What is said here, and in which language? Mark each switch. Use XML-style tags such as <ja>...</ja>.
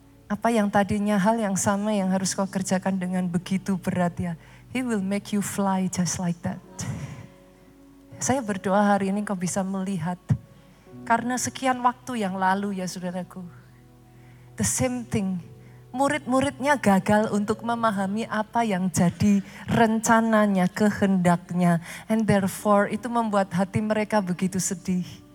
<id>Apa yang tadinya hal yang sama yang harus kau kerjakan dengan begitu berat ya.</id> <en>He will make you fly just like that.</en> <id>Saya berdoa hari ini kau bisa melihat. Karena sekian waktu yang lalu ya saudaraku.</id> <en>The same thing.</en> <id>Murid-muridnya gagal untuk memahami apa yang jadi rencananya, kehendaknya.</id> <en>And therefore</en> <id>itu membuat hati mereka begitu sedih.</id>